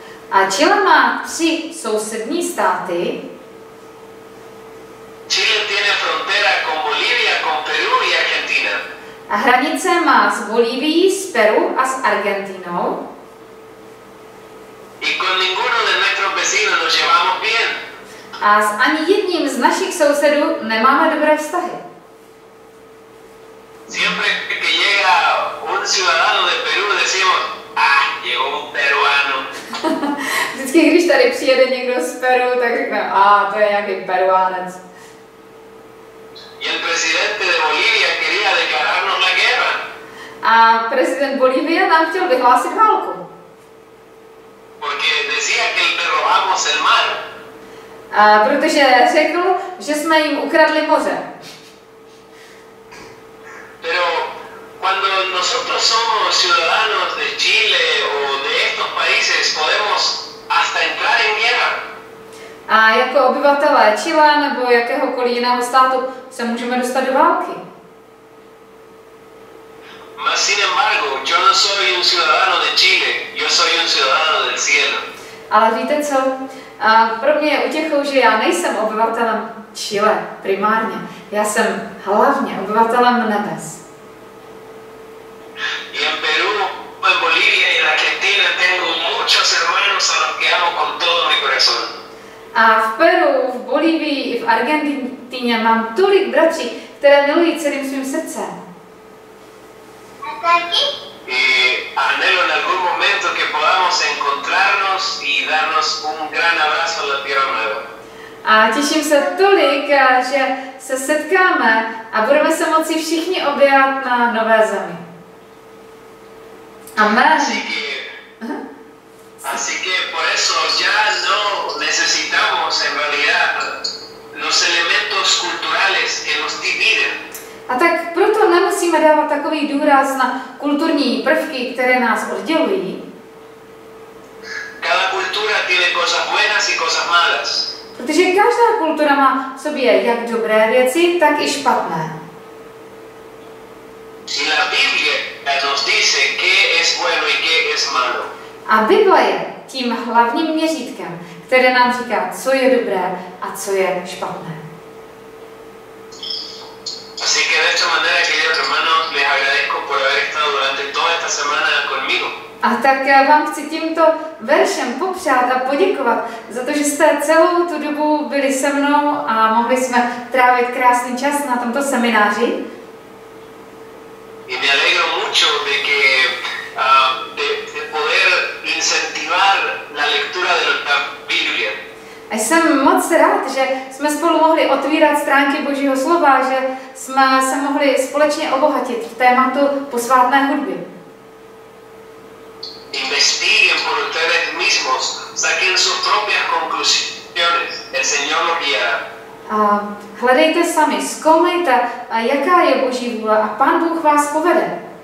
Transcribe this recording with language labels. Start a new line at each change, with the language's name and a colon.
Czech: A Chile má 3 sousední státy.
Spanish: Chile tiene frontera con Bolivia, con Perú y Argentina.
Czech: A hranice má s Bolívií, s Peru a s Argentinou.
Spanish: Y con ninguno de nuestros vecinos nos llevamos bien.
Czech: A s ani jedním z našich sousedů nemáme dobré vztahy.
Spanish: Siempre que llega un ciudadano de Perú decimos, ah, llegó un peruano.
Czech: Vždycky, když tady přijede někdo z Peru, tak řekne, ah, to je nějaký peruánec.
Spanish: Y el presidente de Bolivia quería declararnos la guerra.
Czech: A prezident Bolívie nám chtěl vyhlásit válku.
Spanish: Porque decía que le robamos el mar.
Czech: A protože řekl, že jsme jim ukradli moře.
Spanish: Pero cuando nosotros somos ciudadanos de Chile o de estos países podemos hasta entrar en guerra.
Czech: A jako obyvatelé Chile nebo jakéhokoliv jiného státu se můžeme dostat do války.
Spanish: Mas sin embargo, yo no soy un ciudadano de Chile, yo soy un ciudadano del cielo.
Czech: Ale víte co? A pro mě je utěchou, že já nejsem obyvatelem Chile primárně. Já jsem hlavně obyvatelem nebes.
Spanish: Y en Perú, en Bolivia y en Argentina tengo muchos hermanos a los que amo con todo mi corazón.
Czech: A v Peru, v Bolívii i v Argentině mám tolik bratří, které miluji celým svým srdcem. A taky?
Spanish: Y anhelo en algún momento que podamos encontrarnos y darnos un gran abrazo a la Tierra Nueva.
Czech: A těším se tolik, že se setkáme a budeme se moci všichni objevat na nové zemi. Amen.
Spanish: Así que por eso ya no necesitamos en realidad los elementos culturales que nos dividen.
Czech: A tak proto nemusíme dávat takový důraz na kulturní prvky, které nás oddělují.
Spanish: Cada cultura tiene cosas buenas y cosas malas.
Czech: Protože každá kultura má v sobě jak dobré věci, tak i špatné.
Spanish: Si la Biblia nos dice qué es bueno y qué es malo.
Czech: A Bible je tím hlavním měřítkem, které nám říká, co je dobré a co je špatné.
Spanish: Así que de esta manera, queridos hermanos, les agradezco por haber estado durante toda esta semana conmigo.
Czech: A tak vám chci tímto veršem popřát a poděkovat za to, že jste celou tu dobu byli se mnou a mohli jsme trávit krásný čas na tomto semináři.
Spanish: Y me alegro mucho de que de poder incentivar la lectura de la Biblia.
Czech: A jsem moc rád, že jsme spolu mohli otvírat stránky Božího slova, že jsme se mohli společně obohatit v tématu posvátné hudby.
Spanish: Investiguen por ustedes mismos, saquen sus propias conclusiones. El Señor los guiará.
Czech: A hledejte sami, zkoumejte, jaká je Boží vůle a Pán Bůh vás povede.